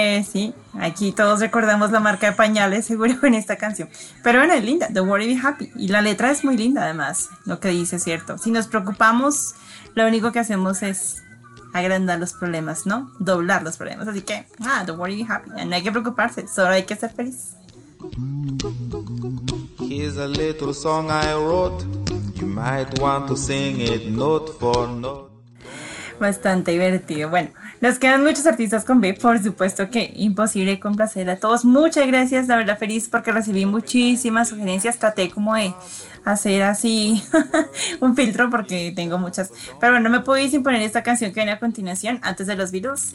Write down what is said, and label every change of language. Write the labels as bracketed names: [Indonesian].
[Spanish] Sí, aquí todos recordamos la marca de pañales, seguro, con esta canción. Pero bueno, es linda, Don't Worry Be Happy. Y la letra es muy linda, además, lo que dice es cierto. Si nos preocupamos, lo único que hacemos es agrandar los problemas, ¿no? Doblar los problemas. Así que, Don't Worry Be Happy. No hay que preocuparse, solo hay que ser feliz. [English] Here's a little song I wrote. You might want to sing it note for note. [Spanish] Bastante divertido. Bueno, nos quedan muchos artistas con B. Por supuesto que imposible complacer a todos. Muchas gracias, la verdad, feliz, porque recibí muchísimas sugerencias. Traté como de hacer así un filtro porque tengo muchas. Pero bueno, me pude sin poner esta canción que viene a continuación, antes de los Beatles.